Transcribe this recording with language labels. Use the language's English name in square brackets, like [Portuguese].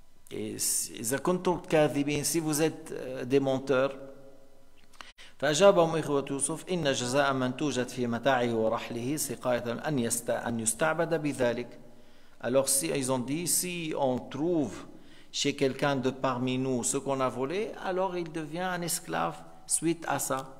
[Arabic] إذا كنتم كاذبين, [French] si vous êtes des menteurs. [Arabic] فأجابهم إخوة يوسف إن جزاء من توجد في متاعه ورحله سقاية أن يستعبد بذلك. [French] Alors si ils ont dit si on trouve chez quelqu'un de parmi nous ce qu'on a volé, alors il devient un esclave suite à ça.